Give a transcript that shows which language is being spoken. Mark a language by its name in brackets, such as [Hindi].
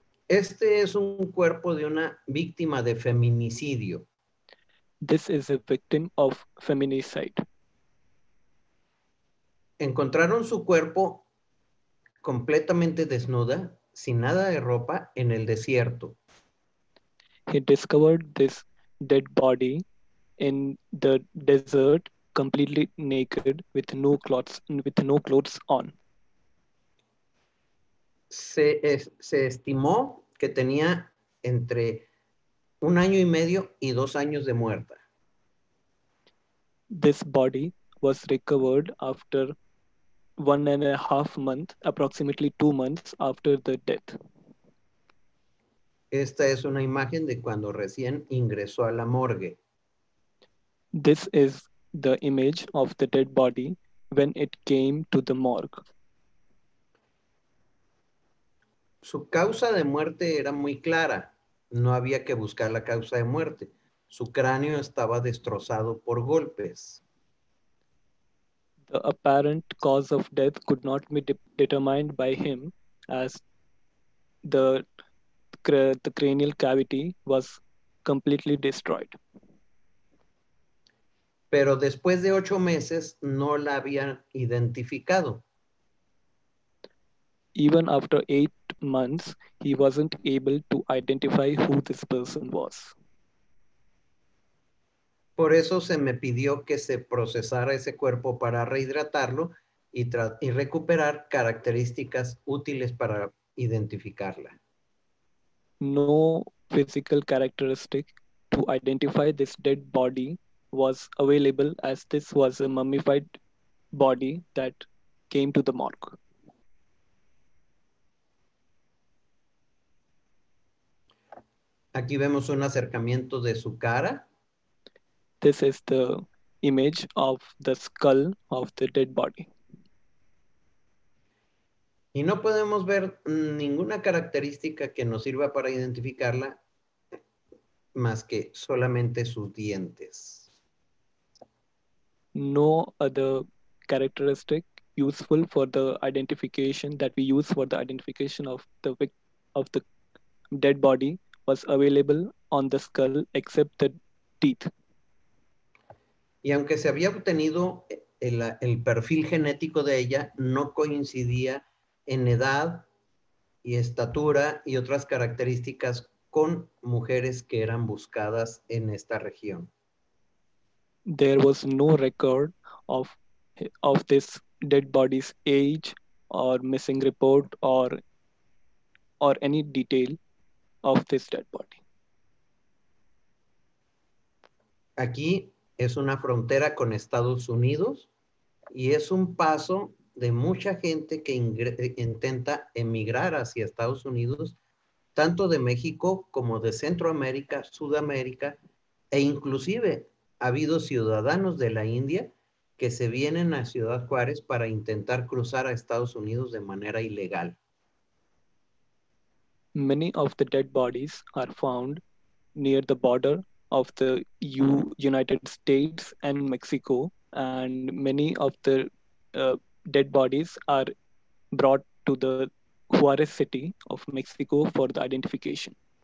[Spanish] Este es un cuerpo de una víctima de feminicidio. [English] This is a victim of feminicide. [Spanish] Encontraron su cuerpo completamente desnuda, sin nada de ropa, en el desierto. [English] He discovered this dead body in the desert, completely naked, with no clothes on. [Spanish] Se estimó que tenía entre un año y medio y dos años de muerta. [English] This body was recovered after 1.5 months, approximately 2 months after the death. [Spanish] Esta es una imagen de cuando recién ingresó a la morgue. [English] This is the image of the dead body when it came to the morgue. [Spanish] Su causa de muerte era muy clara. No había que buscar la causa de muerte. Su cráneo estaba destrozado por golpes. [English] The apparent cause of death could not be determined by him as the cranial cavity was completely destroyed. [Spanish] pero después de 8 meses no la habían identificado. [English] Even after 8 months, he wasn't able to identify who this person was. [Spanish] Por eso se me pidió que se procesara ese cuerpo para rehidratarlo y recuperar características útiles para identificarla. [English] No physical characteristic to identify this dead body was available, as this was a mummified body that came to the morgue. [Spanish] Aquí vemos un acercamiento de su cara. [English] This is the image of the skull of the dead body. [Spanish] Y no podemos ver ninguna característica que nos sirva para identificarla más que solamente sus dientes. [English] No other characteristic useful for the identification that we use for the identification of the dead body was available on the skull except the teeth. [Spanish] Y aunque se había obtenido el perfil genético de ella, no coincidía en edad y estatura y otras características con mujeres que eran buscadas en esta región. [English] There was no record of this dead body's age or missing report or any detail of this dead body. [Spanish] Aquí es una frontera con Estados Unidos y es un paso de mucha gente que intenta emigrar hacia Estados Unidos, tanto de México como de Centroamérica, Sudamérica, e inclusive ha habido ciudadanos de la India que se vienen a Ciudad Juárez para intentar cruzar a Estados Unidos de manera ilegal. [English] Many of the dead bodies are found near the border of the United States and Mexico, and many of the dead bodies are brought to the Juarez city of Mexico for the identification.